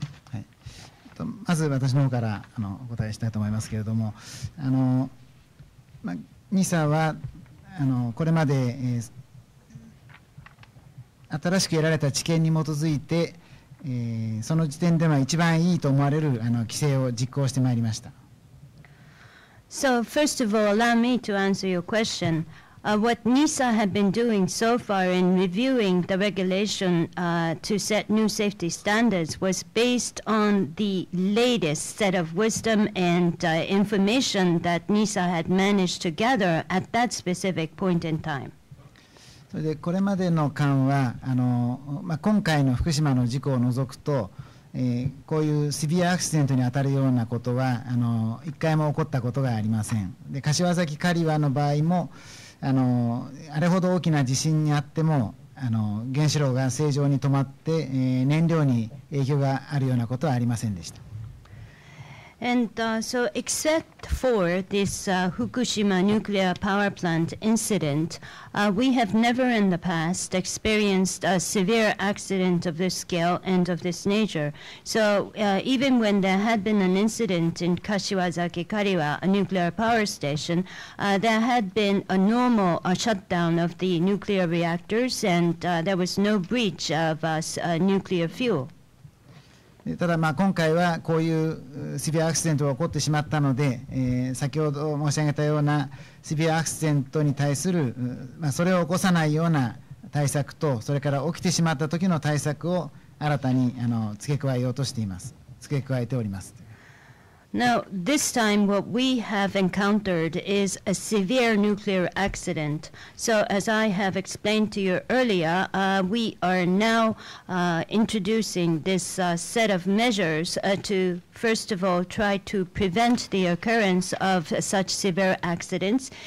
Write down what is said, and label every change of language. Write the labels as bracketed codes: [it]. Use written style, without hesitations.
[ja] はい、まず私の方からお答えしたいと思いますけれども、NISA はこれまで、新しく得られた知見に基づいて、その時点では一番いいと思われる規制を実行してまいりました。 [en] So first of all, allow me to answer your question. What NISA has been doing so far in reviewing the regulation to set new safety standards was based on the latest set of wisdom and information that NISA had managed to gather at that specific point in time. [ja] それでこれまでの間は今回の福島の事故を除くと、こういうシビアアクシデントに当たるようなことは一回も起こったことがありません。で、柏崎刈羽の場合もあれほど大きな地震にあっても原子炉が正常に止まって、燃料に影響があるようなことはありませんでした。 [en] And so except for this Fukushima nuclear power plant incident, we have never in the past experienced a severe accident of this scale and of this nature. So even when there had been an incident in Kashiwazaki Kariwa, a nuclear power station, there had been a normal shutdown of the nuclear reactors and there was no breach of nuclear fuel. [ja] ただ今回はこういうシビアアクシデントが起こってしまったので、先ほど申し上げたようなシビアアクシデントに対する、それを起こさないような対策と、それから起きてしまった時の対策を新たに付け加えております。 [en] Now, this time what we have encountered is a severe nuclear accident. So as I have explained to you earlier, we are now introducing this set of measures to, first of all, try to prevent the occurrence of such severe accidents.